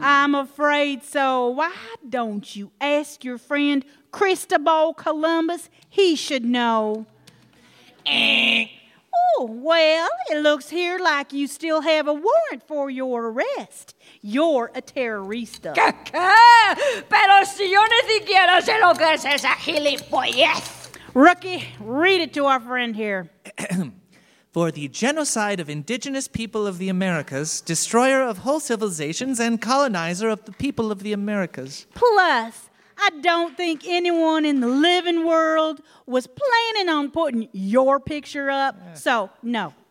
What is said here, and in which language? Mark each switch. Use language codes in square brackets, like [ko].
[en] I'm afraid so. Why don't you ask your friend Cristobal Columbus? He should know. Oh, well, it looks here like you still have a warrant for your arrest. You're a terrorista. [es] ¿Qué, qué? Pero si yo ni siquiera sé lo que es esa gilipollez. [en] Rookie, read it to our friend here. For the genocide of indigenous people of the Americas, destroyer of whole civilizations, and colonizer of the people of the Americas. Plus, I don't think anyone in the living world was planning on putting your picture up, so no.